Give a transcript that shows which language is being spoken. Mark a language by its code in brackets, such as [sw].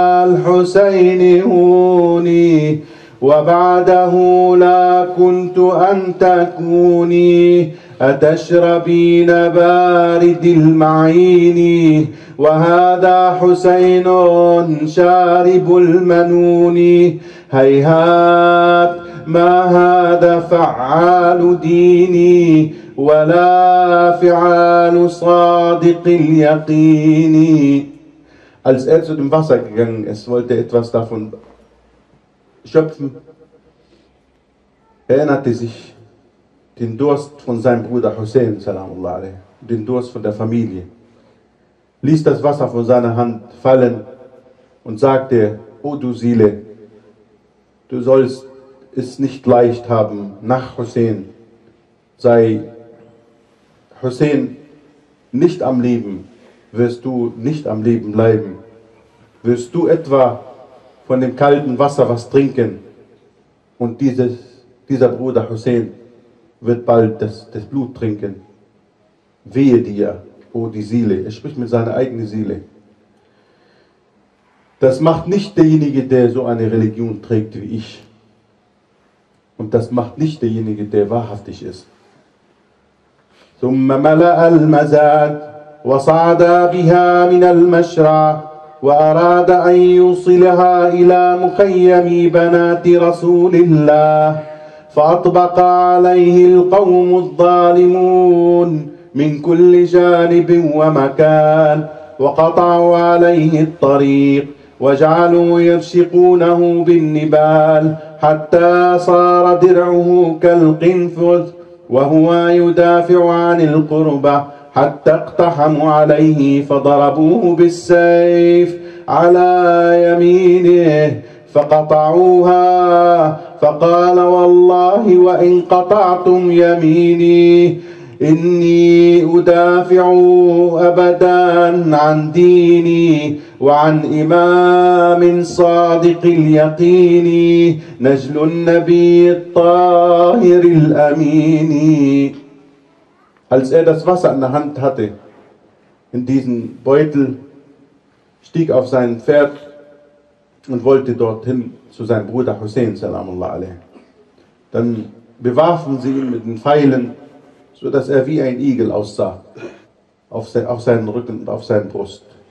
[ar] الحسين هوني وبعده لا كنت أن تكوني أتشربين بارد المعين وهذا حسين شارب المنون هيهات ما هذا فعال ديني ولا فعال صادق اليقين. [de] Als er zu dem Wasser gegangen ist, wollte etwas davon schöpfen, erinnerte sich den Durst von seinem Bruder Hussein, salamullah alayhi, den Durst von der Familie, ließ das Wasser von seiner Hand fallen und sagte, O du Seele, du sollst es nicht leicht haben nach Hussein, sei Hussein nicht am Leben, wirst du nicht am Leben bleiben, wirst du etwa von dem kalten Wasser was trinken und dieser Bruder Hussein wird bald das Blut trinken. Wehe dir, oh die Seele. Er spricht mit seiner eigenen Seele. Das macht nicht derjenige, der so eine Religion trägt wie ich. Und das macht nicht derjenige, der wahrhaftig ist. [ar] ثم ملأ المزاد وصعد بها من المشرع وأراد أن يوصلها إلى مخيم بنات رسول الله فأطبق عليه القوم الظالمون من كل جانب ومكان وقطعوا عليه الطريق وجعلوا يرشقونه بالنبال حتى صار درعه كالقنفذ وهو يدافع عن القربة حتى اقتحموا عليه فضربوه بالسيف على يمينه فقطعوها فقال والله وإن قطعتم يميني إني أدافع أبدا عن ديني وعن إمام صادق اليقين نجل النبي الطاهر الأمين. [de] Als er das Wasser in der Hand hatte, in diesen Beutel, stieg auf sein Pferd und wollte dorthin zu seinem Bruder Hussein, salamullah alayhi. Dann bewarfen sie ihn mit den Pfeilen, sodass er wie ein Igel aussah, auf seinen Rücken und auf seinen Brust.